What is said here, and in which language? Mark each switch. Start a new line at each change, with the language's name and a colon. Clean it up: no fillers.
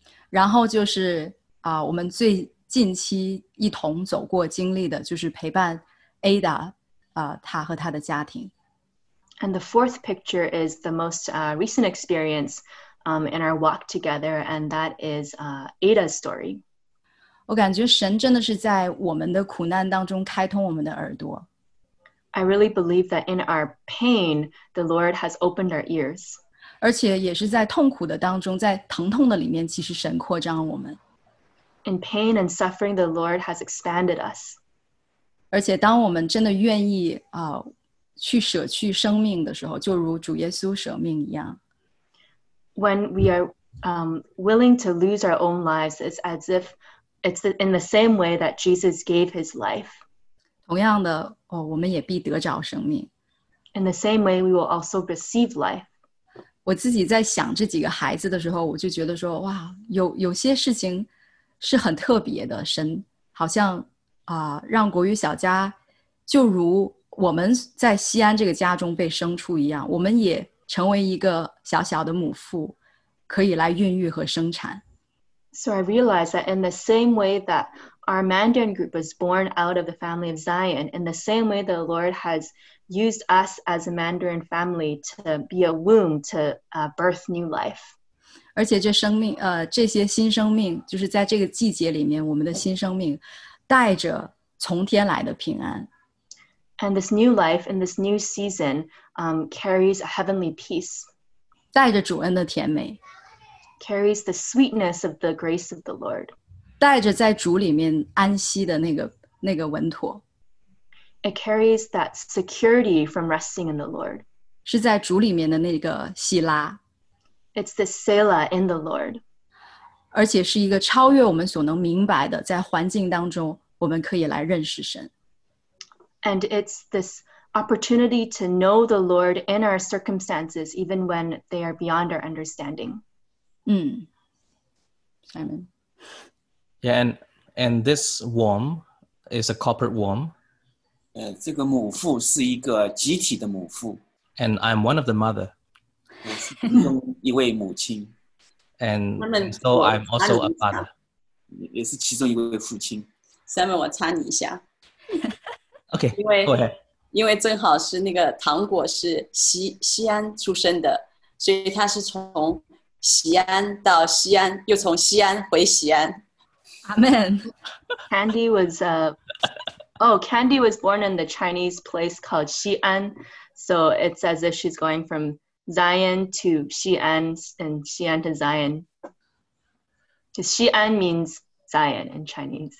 Chinese: 然后就是我们最近期一同走过经历的就是陪伴 Ada, 她和她的家庭。
English: And the fourth picture is the most recent experience in our walk together, and that is Ada's story.
Chinese: 我感觉神真的是在我们的苦难当中开通我们的耳朵。
English: I really believe that in our pain, the Lord has opened our ears.
Chinese: 而且也是在痛苦的当中，在疼痛的里面，其实神扩张我们。
English: In pain and suffering, the Lord has expanded us.
Chinese: 而且当我们真的愿意去舍去生命的时候，就如主耶稣舍命一样。
English: When we are willing to lose our own lives, it's as if it's in the same way that Jesus gave his life.
Chinese: 同样的、哦、我们也必得着生命。
English: In the same way, we will also receive life.
Chinese: 我自己在想这几个孩子的时候，我就觉得说，哇，有些事情是很特别的。神好像让国语小家就如我们在西安这个家中被生出一样，我们也成为一个小小的母妇，可以来孕育和生产。
English: So I realized that in the same way that our Mandarin group was born out of the family of Zion, in the same way the Lord has used us as a Mandarin family to be a womb to birth new life.
Chinese: 而且这生命，这些新生命，就是在这个季节里面，我们的新生命带着从天来的平安。
English: And this new life in this new season carries a heavenly peace.
Chinese: 带着主恩的甜美。
English: Carries the sweetness of the grace of the Lord.
Chinese: 带着在主里面安息的那个稳妥。
English: It carries that security from resting in the Lord.
Chinese: 是在主里面的那个希拉。
English: It's the Sela in the Lord.
Chinese: 而且是一个超越我们所能明白的，在环境当中我们可以来认识神。
English: And it's this opportunity to know the Lord in our circumstances, even when they are beyond our understanding. Simon. Yeah, and this womb is a corporate womb.
Chinese: 这个母妇是一个集体的母妇。
English: And I'm one of the mother.
Chinese: 我是其中一位母亲。
English: And so I'm also a father.
Chinese: 也是其中一位父亲。 Simon, 我插你一下。
English: Okay, go ahead.
Chinese: 因为正好是那个糖果是西安出生的，所以他是从西安到西安，又从西安回西安。
English: Amen. Candy was Candy was born in the Chinese place called Xi'an, so it's as if she's going from Zion to Xi'an and Xi'an to Zion. Xi'an means Zion in Chinese.